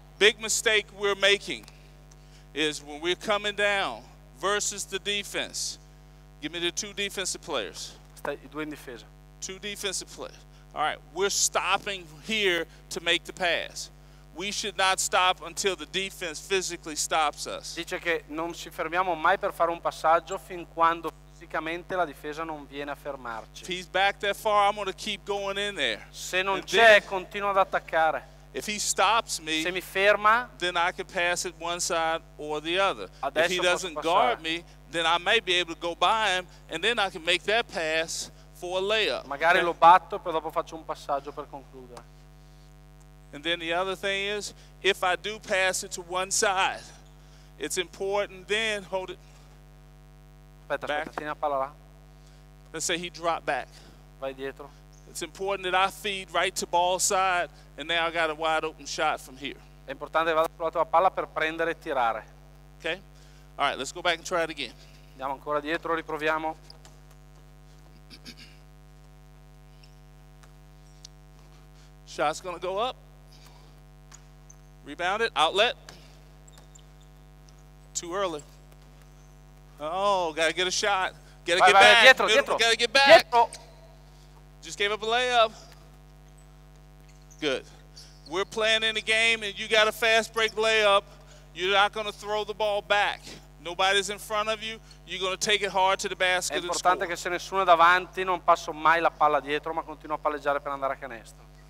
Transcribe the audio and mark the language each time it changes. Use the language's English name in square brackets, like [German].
[English] Big mistake we're making is when we're coming down versus the defense. Give me the two defensive players. Two defensive players. All right. We're stopping here to make the pass. We should not stop until the defense physically stops us. [Italian] Dice che non ci fermiamo mai per fare un passaggio fin quando fisicamente la difesa non viene a fermarci. [English] If he's back that far, I'm going to keep going in there. [Italian] Se non c'è, [English] then, [Italian] continuo ad attaccare. [English] If he stops me, [Italian] se mi ferma, [English] then I can pass it one side or the other. [Italian] Adesso [English] if he doesn't guard me, then I may be able to go by him, and then I can make that pass for a layup. [Italian] Magari lo batto, poi dopo faccio un passaggio per concludere. [English] And then the other thing is, if I do pass it to one side, it's important then, hold it. [Italian] Aspetta, [English] back. [Italian] Aspetta, tieni la palla là. [English] Let's say he dropped back. [Italian] Vai dietro. [English] It's important that I feed right to ball side, and now I got a wide open shot from here. [Italian] È importante che vada sulla tua palla per prendere e tirare. [English] Okay? All right, let's go back and try it again. [Italian] Andiamo ancora dietro, riproviamo. [English] Shot's going to go up. Rebound it, outlet. Too early. Oh, gotta get a shot. Gotta get back. [Italian] Dietro, dietro. [English] Gotta get back. [Italian] Dietro. [English] Just gave up a layup. Good. We're playing in a game and you got a fast break layup. You're not gonna throw the ball back. Nobody's in front of you. You're gonna take it hard to the basket. [Italian] È importante che se nessuno è davanti, non passo mai la palla dietro, ma continuo a palleggiare per andare a canestro.